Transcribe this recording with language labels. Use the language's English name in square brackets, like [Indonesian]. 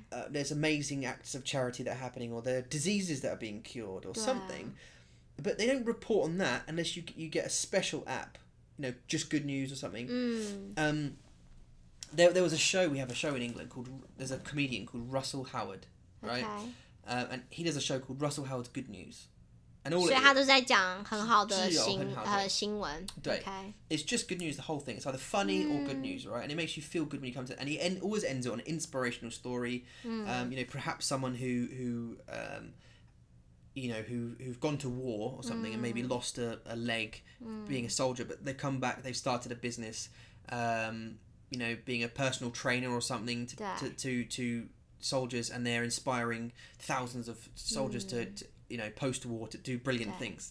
[English] there's amazing acts of charity that are happening or there are diseases that are being cured or something but they don't report on that unless you get a special app you know just good news or something there was a show we have a show in England called there's a comedian called Russell Howard right and he does a show called Russell Howard's Good News [Chinese] 所以他都在讲很好的新闻 [English] It's just good news, the whole thing. It's either funny or good news, right? And it makes you feel good when you come to it. And he always ends it on an inspirational story. You know, perhaps someone who've gone to war or something and maybe lost a leg being a soldier, but they come back, they've started a business, you know, being a personal trainer or something to soldiers and they're inspiring thousands of soldiers to you know, post-war to do brilliant things.